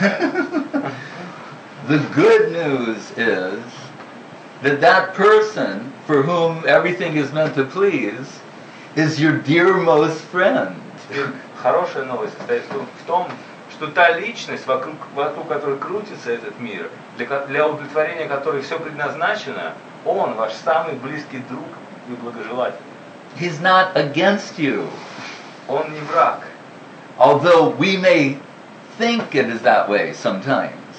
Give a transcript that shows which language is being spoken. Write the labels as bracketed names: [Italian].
[English] The good news is that that person for whom everything is meant to please is your dearmost friend. [Russian] Хорошая новость состоит в том, что та личность, вокруг которой крутится этот мир, для удовлетворения которой все предназначено, он ваш самый близкий друг и благожелатель. [English] He's not against you. [Russian] Он не враг. [English] Although we may think it is that way sometimes.